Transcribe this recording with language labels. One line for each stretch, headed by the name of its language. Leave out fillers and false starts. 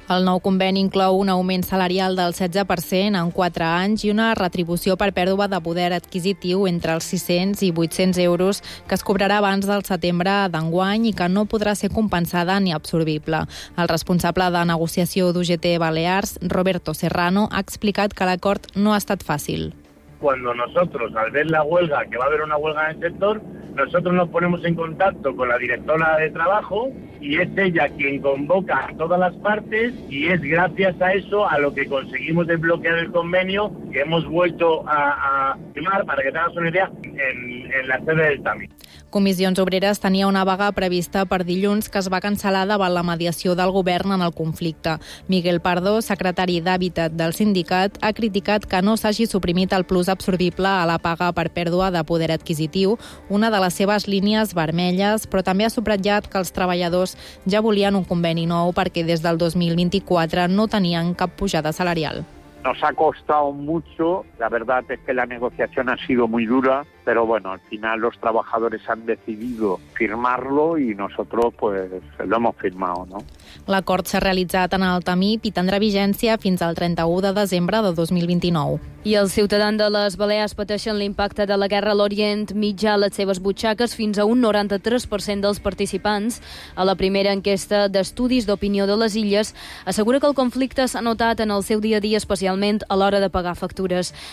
Catalan: El nou conveni inclou un augment salarial del 16% en 4 anys i una retribució per pèrdua de poder adquisitiu entre els 600 i 800 euros que es cobrarà abans del setembre d'enguany i que no podrà ser compensada ni absorbible. El responsable de negociació d'UGT Balears, Roberto Serrano, ha explicat que l'acord no ha estat fàcil.
Spanish: Cuando nosotros, al ver la huelga, que va a haber una huelga en el sector, nosotros nos ponemos en contacto con la directora de trabajo y es ella quien convoca a todas las partes y es gracias a eso a lo que conseguimos desbloquear el convenio que hemos vuelto a firmar, para que tengas una idea, en la sede del TAMI.
Catalan: Comissions Obreres tenia una vaga prevista per dilluns que es va cancel·lar davant la mediació del govern en el conflicte. Miguel Pardo, secretari d'Hàbitat del sindicat, ha criticat que no s'hagi suprimit el plus absorbible a la paga per pèrdua de poder adquisitiu, una de les seves línies vermelles, però també ha subratllat que els treballadors ja volien un conveni nou perquè des del 2024 no tenien cap pujada salarial.
Spanish: Nos ha costado mucho, la verdad es que la negociación ha sido muy dura, pero bueno, al final los trabajadores han decidido firmarlo y nosotros pues lo hemos firmado, ¿no?
Catalan: L'acord s'ha realitzat en el TAMIP i tindrà vigència fins al 31 de desembre de 2029. I els ciutadans de les Balears pateixen l'impacte de la guerra a l'Orient Mitjà a les seves butxaques. Fins a un 93% dels participants a la primera enquesta d'estudis d'opinió de les Illes assegura que el conflicte s'ha notat en el seu dia a dia, especialment a l'hora de pagar factures.